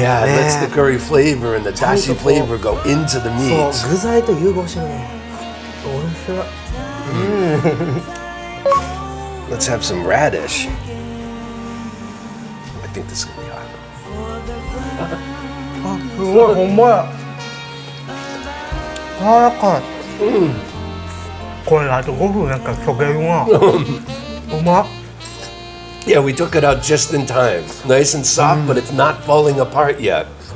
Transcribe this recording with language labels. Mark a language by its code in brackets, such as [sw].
[en] Yeah, ね、lets the curry flavor and the dashi flavor go into the meat. [ja] そう、具材と融合してるね。おいしい。 [en] Let's have some radish. I think this is gonna be hot. [ja] すごい、ほんまや。やわらかい、うん、これあと5分なんか溶けるわ。うま [en] っ。Yeah, we took it out just in time. Nice and soft,、うん、but it's not falling apart yet.